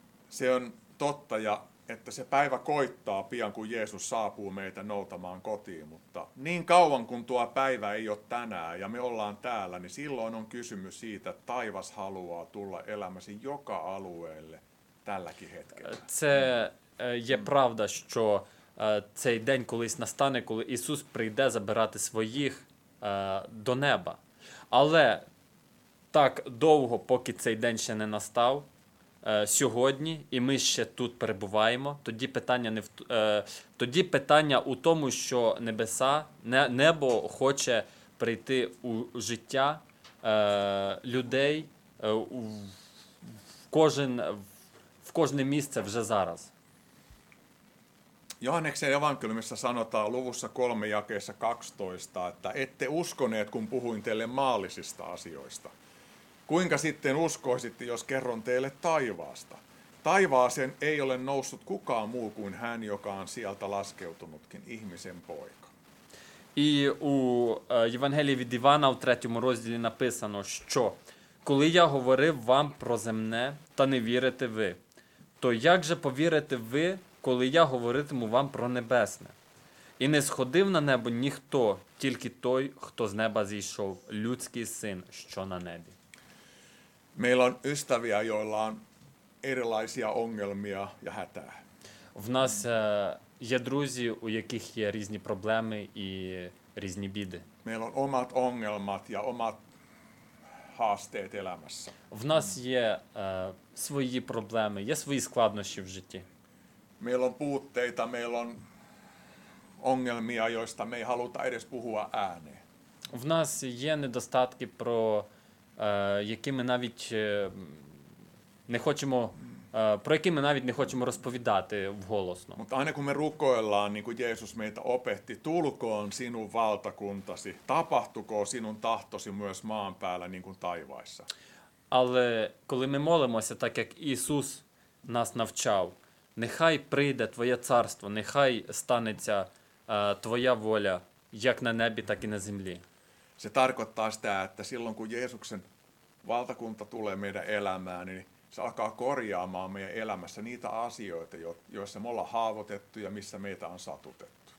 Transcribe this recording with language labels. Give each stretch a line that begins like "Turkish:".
Finnish: Se on totta, ja että se päivä koittaa pian, kun Jeesus saapuu meitä noutamaan kotiin, mutta niin kauan kuin tuo päivä ei ole tänään ja me ollaan täällä, niin silloin on kysymys siitä, että taivas haluaa tulla elämäsi joka alueelle tälläkin hetkellä.
Ukrainian: Se je pravda, що цей день колись настане, коли Ісус прийде забирати своїх до неба. Але так довго, поки цей день ще не настав, сьогодні, і ми ще тут перебуваємо, тоді питання не в тоді питання у тому, що небеса, небо хоче прийти у життя людей в кожне місце вже зараз.
Finnish: Johanneksen evankeliumissa sanotaan luvussa 3 jakeessa 12, että ette uskoneet, kun puhuin teille maallisista asioista. Kuinka sitten uskoisitte, jos kerron teille taivaasta? Taivaaseen ei ole noussut kukaan muu kuin hän, joka on sieltä laskeutunutkin, ihmisen poika.
Ukrainian: І у Євангелії від Івана в 3 розділі написано, що коли я говорив вам про земне, та не вірите ви, то як же повірите ви, коли я говоритиму вам про небесне? І не сходив на небо ніхто, тільки той, хто з неба зійшов, людський син, що на небі.
Finnish: Meillä on ystäviä, joilla on erilaisia ongelmia ja hätää.
Ukrainian: В нас є друзі, у яких є різні проблеми і різні біди.
Finnish: Meillä on omat ongelmat ja omat haasteet elämässä.
Ukrainian: В нас є свої проблеми, є свої складнощі в житті.
Finnish: Meillä on puutteita, meillä on ongelmia, joista me ei haluta edes puhua ääneen.
Ukrainian: В нас є недостатки, про які ми навіть не хочемо, про які ми навіть не хочемо розповідати вголосно.
Finnish: Mutta aina kun me rukoillaan, niin kuin Jeesus meitä opetti, tulkoon sinun valtakuntasi, tapahtukoon sinun tahtosi myös maan päällä, niin kuin taivaissa.
Ukrainian: Але коли ми молимося, так як Ісус нас навчав, нехай прийде Твоє царство, нехай станеться Твоя воля, як на небі, так і на землі.
Finnish: Se tarkoittaa sitä, että silloin kun Jeesuksen valtakunta tulee meidän elämään, niin se alkaa korjaamaan meidän elämässä niitä asioita, joissa me ollaan haavoitettu ja missä meitä on satutettu.